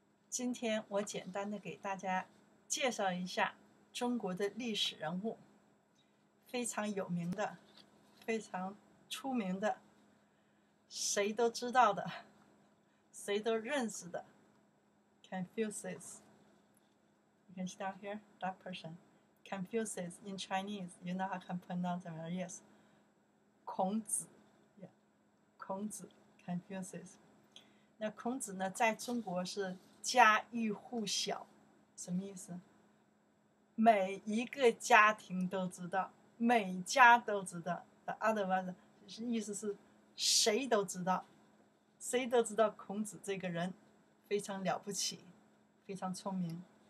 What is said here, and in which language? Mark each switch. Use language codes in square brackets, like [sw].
[zh] 今天我简单的给大家介绍一下中国的历史人物，非常有名的，非常出名的，谁都知道的，谁都认识的 Confucius. [en] You can start here, that person. Confucius in Chinese, you know how I can pronounce it, yes. [zh] 孔子、yeah. 孔子 Confucius. 那孔子呢，在中国是家喻户晓，什么意思？每一个家庭都知道，每家都知道。 [en] The other one, [zh] 意思是谁都知道，谁都知道孔子这个人非常了不起，非常聪明。